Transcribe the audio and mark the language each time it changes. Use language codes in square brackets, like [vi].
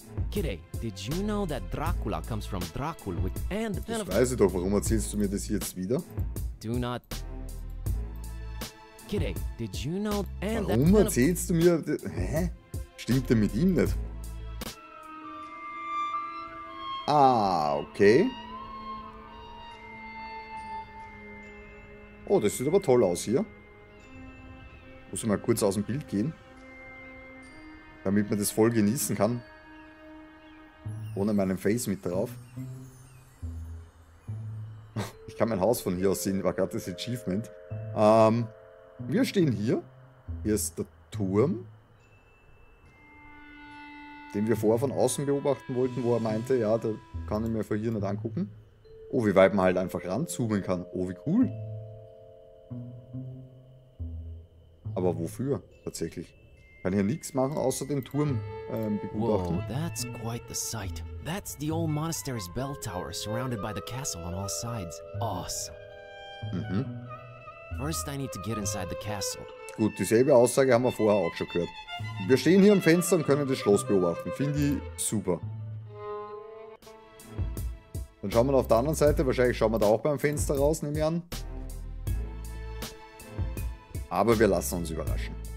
[en] Kiddy, did you know that Dracula comes from Dracul with and the [de] ich weiß doch, warum erzählst du mir das jetzt wieder? [en] Do not. Kiddy, did you know and [de] warum [en] that [de] erzählst du mir? Hä? Stimmt denn mit ihm nicht? Ah, okay. Oh, das sieht aber toll aus hier. Muss ich mal kurz aus dem Bild gehen. Damit man das voll genießen kann. Ohne meinen Face mit drauf. Ich kann mein Haus von hier aus sehen. War gerade das Achievement. Wir stehen hier. Hier ist der Turm. Den wir vorher von außen beobachten wollten, wo er meinte, ja, da kann ich mir von hier nicht angucken. Oh, wie weit man halt einfach ranzoomen kann. Oh, wie cool. Aber wofür tatsächlich? Kann hier nichts machen, außer den Turm begutachten. [en] Whoa, that's quite the sight. That's the old monastery's bell tower, surrounded by the castle on all sides. Awesome. Mhm. First I need to get inside the castle. [de] Gut, dieselbe Aussage haben wir vorher auch schon gehört. Wir stehen hier am Fenster und können das Schloss beobachten. Finde ich super. Dann schauen wir auf der anderen Seite. Wahrscheinlich schauen wir da auch beim Fenster raus, nehme ich an. Aber wir lassen uns überraschen.